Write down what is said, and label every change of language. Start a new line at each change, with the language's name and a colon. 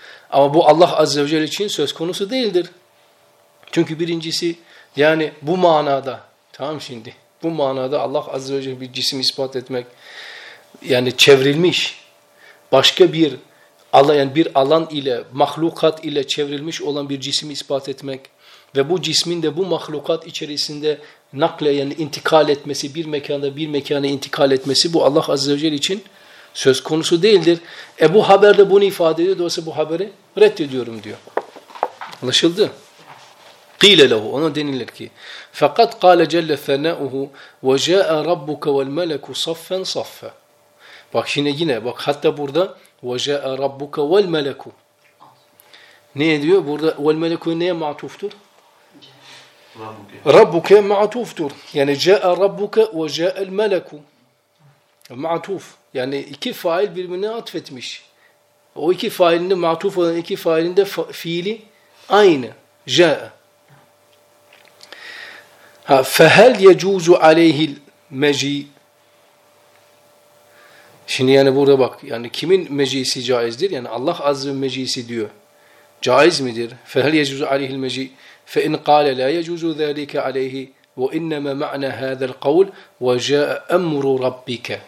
Turkish: Ama bu Allah Azze ve Celle için söz konusu değildir. Çünkü birincisi yani bu manada, tamam şimdi, bu manada Allah Azze ve Celle bir cisim ispat etmek, yani çevrilmiş, başka bir alan, yani bir alan ile, mahlukat ile çevrilmiş olan bir cisim ispat etmek ve bu cismin de bu mahlukat içerisinde nakle, yani intikal etmesi, bir mekanda bir mekana intikal etmesi, bu Allah Azze ve Celle için söz konusu değildir. E bu haber de bunu ifade ediyor. Dolayısıyla bu haberi reddediyorum diyor. Anlaşıldı.
Arabic: قِيلَ لَهُ.
Turkish: Ona denilir ki
Arabic: فَقَدْ قَالَ جَلَّ ثَنَاءُهُ وَجَاءَ رَبُّكَ وَالْمَلَكُ صَفًّا صَفًّا.
Turkish: Bak şimdi yine bak, hatta burada
Arabic: وَجَاءَ رَبُّكَ وَالْمَلَكُ
Turkish: ne diyor? Burada وَالْمَلَكُ neye matuftur? رَبُّكَ matuftur.
Arabic: Yani جَاءَ رَبُّكَ وَجَاءَ الْمَلَكُ matuf.
Turkish: Yani iki fail birbirine atfetmiş. O iki failinde matuf olan iki failinde fiili aynı.
Arabic: جَاءَ. Ha, فَهَلْ يَجُوزُ عَلَيْهِ الْمَجِيءِ.
Turkish: Şimdi yani burada bak, yani kimin mecisi caizdir? Yani Allah Azze ve mecisi diyor. Caiz midir?
Arabic: فَهَلْ يَجُوزُ عَلَيْهِ الْمَجِيءِ فَاِنْ قَالَ لَا يَجُوزُ ذَٰلِكَ عَلَيْهِ وَاِنَّمَا مَعْنَى هَذَا الْقَوْلِ وَجَاءَ اَمْرُ رَبِّكَ.